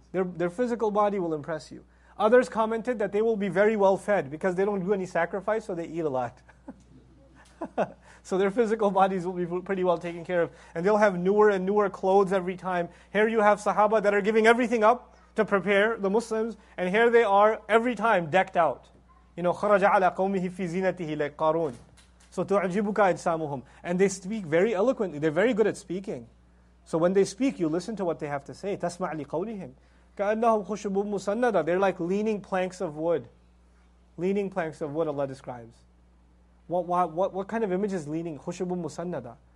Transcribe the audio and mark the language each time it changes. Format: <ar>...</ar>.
<en>Their physical body will impress you. Others commented that they will be very well fed because they don't do any sacrifice, so they eat a lot. So their physical bodies will be pretty well taken care of. And they'll have newer and newer clothes every time. Here you have Sahaba that are giving everything up to prepare the Muslims. And here they are every time decked out. You know,</en> <ar>خَرَجَ عَلَىٰ قَوْمِهِ فِي زِينَتِهِ لَيْ قَارُونَ.</ar> <en>So</en> <ar>تُعْجِبُكَ إِجْسَامُهُمْ.</ar> <en>And they speak very eloquently. They're very good at speaking. So when they speak, you listen to what they have to say.</en> <ar>تَسْمَعْ لِقَوْلِهِمْ. كَأَنَّهُمْ خُشُبُ مُسَنَّدَ.</ar> <en>They're like leaning planks of wood. Leaning planks of wood, Allah describes. What kind of image is leaning?</en> <ar>خُشُبُ مُسَنَّدَ.</ar>